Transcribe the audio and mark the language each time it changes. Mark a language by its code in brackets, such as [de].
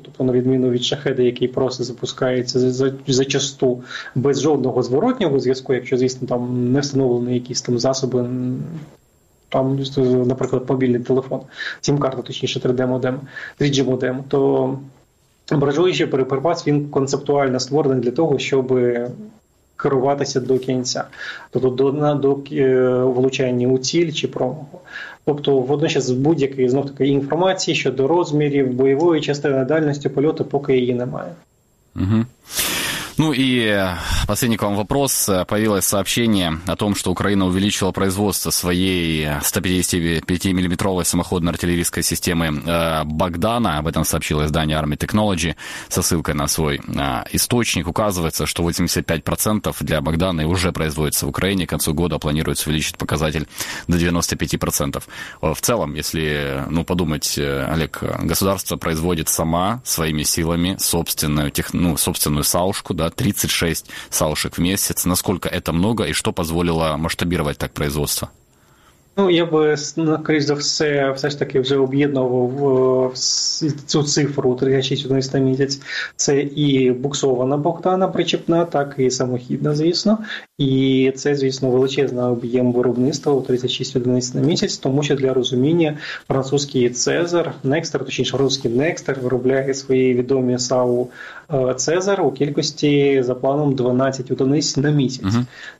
[uk] Тобто, на відміну від шахеда, який просто запускається зачасту без жодного зворотнього зв'язку, якщо, звісно, там не встановлені якісь там засоби, там, наприклад, мобільний телефон, сім-карта, точніше, 3D-модем, 3G-модем, то бражуючий переприпас, він концептуально створений для того, щоб керуватися до кінця, тобто до влучання у ціль чи промаху. Тобто, водночас, будь-якої, знов таки, інформації щодо розмірів бойової частини, дальності польоту, поки її немає. Угу. [ru] Ну и последний к вам вопрос. Появилось сообщение о том, что Украина увеличила производство своей 155-миллиметровой самоходной артиллерийской системы «Богдана». Об этом сообщило издание Army Technology со ссылкой на свой источник. Указывается, что 85% для «Богдана» уже производится в Украине. К концу года планируется увеличить показатель до 95%. В целом, если подумать, Олег, государство производит сама своими силами собственную «Саушку», да, 36 саушек в месяц. Насколько это много и что позволило масштабировать так производство? [uk] Ну, я би, скоріш за все, все ж таки вже об'єднував цю цифру 36 одиниць на місяць. Це і буксована «Богдана» причіпна, так і самохідна, звісно. І це, звісно, величезний об'єм виробництва у 36 одиниць на місяць, тому що для розуміння французький «Цезар», «Некстер», точніше, французький «Некстер» виробляє свої відомі САУ «Цезар» у кількості за планом 12 одиниць на місяць. Угу.